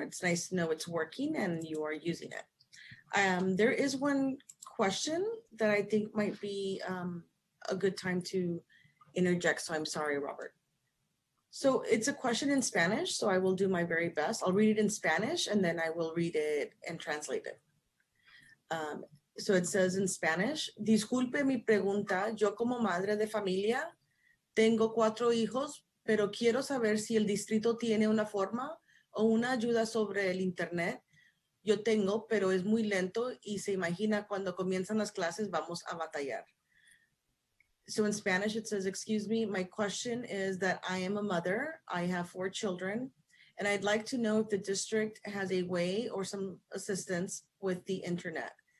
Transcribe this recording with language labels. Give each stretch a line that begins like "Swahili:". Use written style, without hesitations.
English: It's nice to know it's working and you are using it. There is one question that I think might be a good time to interject. So I'm sorry, Robert. So it's a question in Spanish, so I will do my very best. I'll read it in Spanish and then I will read it and translate it. So it says in Spanish,
Spanish: disculpe mi pregunta, yo como madre de familia, tengo cuatro hijos, pero quiero saber si el distrito tiene una forma o una ayuda sobre el internet. Yo tengo, pero es muy lento y se imagina cuando comienzan las clases vamos a batallar.
English: So in Spanish it says, excuse me, my question is that I am a mother, I have four children, and I'd like to know if the district has a way or some assistance with the internet.